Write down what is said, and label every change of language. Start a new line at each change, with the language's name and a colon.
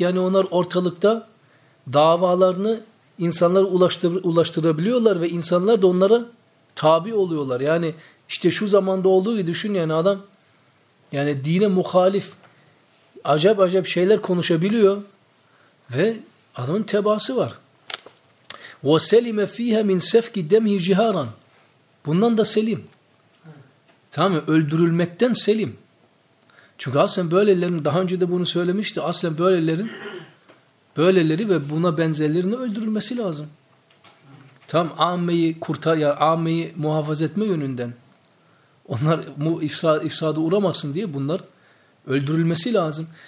Turkish: Yani onlar ortalıkta davalarını insanlara ulaştırabiliyorlar ve insanlar da onlara tabi oluyorlar. Yani işte şu zamanda olduğu gibi düşün yani adam yani dine muhalif acayip şeyler konuşabiliyor ve adamın tebaası var.
Arabic: وَسَلِمَ ف۪يهَ مِنْ سَفْكِ دَمْهِ جِهَارًا
Turkish: Bundan da selim. Tamam mı? Öldürülmekten selim. Çünkü aslen böylelerin, daha önce de bunu söylemişti, aslen böylelerin böyleleri ve buna benzerlerini öldürülmesi lazım. Tam âmeyi kurtar ya yani âmeyi muhafaza etme yönünden. Onlar ifsada uğramasın diye bunlar öldürülmesi lazım.